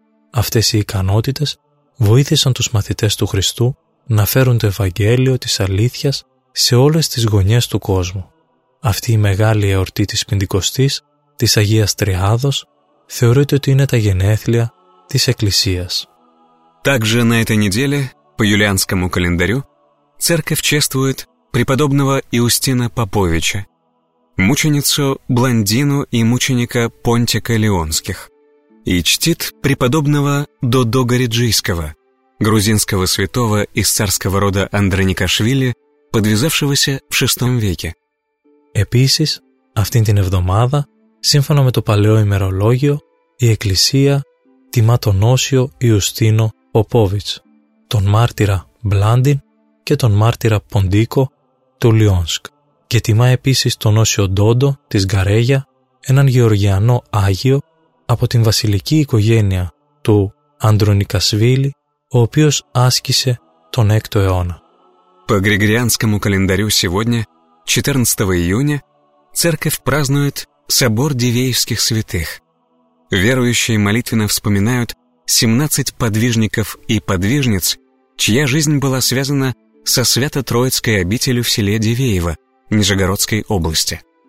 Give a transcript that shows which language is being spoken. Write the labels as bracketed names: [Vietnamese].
[Greek] Αυτές οι ικανότητες βοήθησαν τους μαθητές του Χριστού να φέρουν το Ευαγγέλιο της αλήθειας σε όλες τις γωνιές του κόσμου. Αυτή η μεγάλη εορτή της Πεντηκοστής, της Αγίας Τριάδος, θεωρείται ότι είναι τα γενέθλια της Εκκλησίας. [Russian] Также на этой неделе, по юлианскому календарю, церковь чествует преподобного Иустина Поповича, мученицу Блондину и мученика Понтика Леонских, и чтит преподобного Додо Гориджийского, грузинского святого из царского рода Андроникашвили, подвязавшегося в VI веке. [Greek] Επίσης, αυτήν την εβδομάδα, σύμφωνα με το παλαιό ημερολόγιο, η Εκκλησία τιμά τον Όσιο Ιουστίνο Ποπόβιτς, τον μάρτυρα Μπλάντιν και τον μάρτυρα Ποντίκο του Λιόνσκ και τιμά επίσης τον Όσιο Ντόντο της Γκαρέγια, έναν Γεωργιανό Άγιο από την βασιλική οικογένεια του Αντρονικασβίλη, ο οποίος άσκησε τον 6ο αιώνα. [Russian] По Григорианскому календарю сегодня, 14 июня, церковь празднует Собор Дивеевских святых. Верующие молитвенно вспоминают 17 подвижников и подвижниц, чья жизнь была связана со Свято-Троицкой обителью в селе Дивеево Нижегородской области.